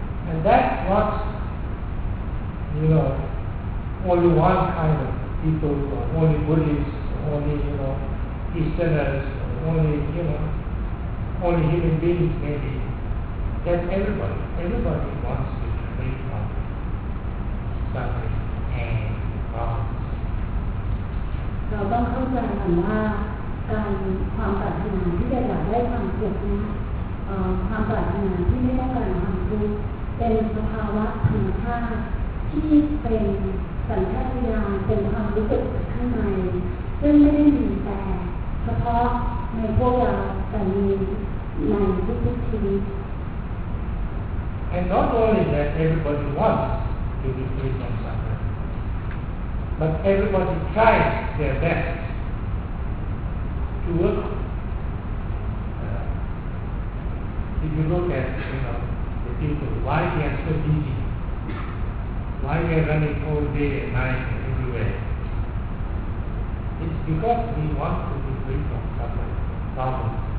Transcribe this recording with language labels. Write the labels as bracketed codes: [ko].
[en] And that's what, you know, only one kind of people, only Buddhists, only, you know, Easterners, only, you know,only human beings maybe, that everybody wants to get rid of suffering and problems. [th] เราต้องเข้าใจก่อนว่าการความปรารถนาที่จะอยากได้ความสุขนี้ความปรารถนาที่ไม่ต้องการความทุกข์เป็นสภาวะธรรมชาติที่เป็นสัญชาตญาณเป็นความรู้สึกข้างในซึ่งไม่ได้มีแต่เฉพาะในพวกเราแต่มีในทุกๆชีวิต [en] And not only that everybody wants to be free from suffering but everybody tries their best to work if you look at you know the people why they are so busy why they are running all day and night and everywhere it's because we want to be free from suffering problems